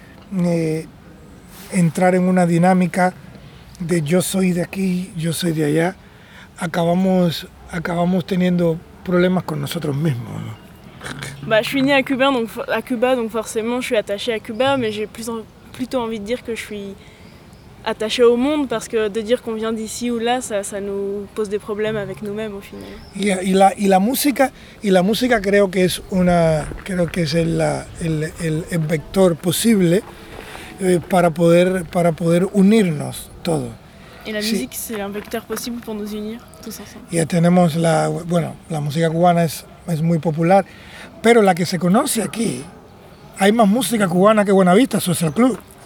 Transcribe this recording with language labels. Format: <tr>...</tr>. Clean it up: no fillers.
<es>Creo que entrar en una dinámica de yo soy de aquí, yo soy de allá, acabamos teniendo problemas con nosotros mismos, ¿no?</es> <fr>Bah, je suis née à Cuba, donc forcément je suis attachée à Cuba, mais j'ai plutôt envie de dire que je suis attachée au monde, parce que de dire qu'on vient d'ici ou là, ça nous pose des problèmes avec nous-mêmes au final.</fr> <es>Y la música creo que es el vector posible para poder unirnos todos.</es> <fr>Et la musique, sí. C'est un vecteur possible pour nous unir tous ensemble.</fr> <es>Ya tenemos la música cubana es muy popular. Pero la que se conoce aquí, hay más música cubana que Buenavista Social Club.</es>